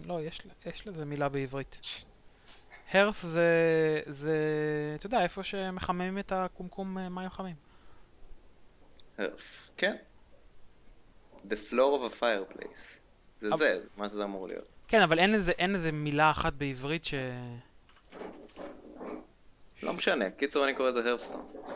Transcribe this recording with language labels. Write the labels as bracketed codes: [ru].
[he] לא, יש לזה מילה בעברית. הרף זה, אתה יודע, איפה שמחממים את הקומקום מים חמים. הרף, כן. [en] The floor of a fireplace. [he] זה, מה שזה אמור להיות. כן, אבל אין איזה מילה אחת בעברית ש... לא משנה, קיצור אני קורא את זה הרפסטון.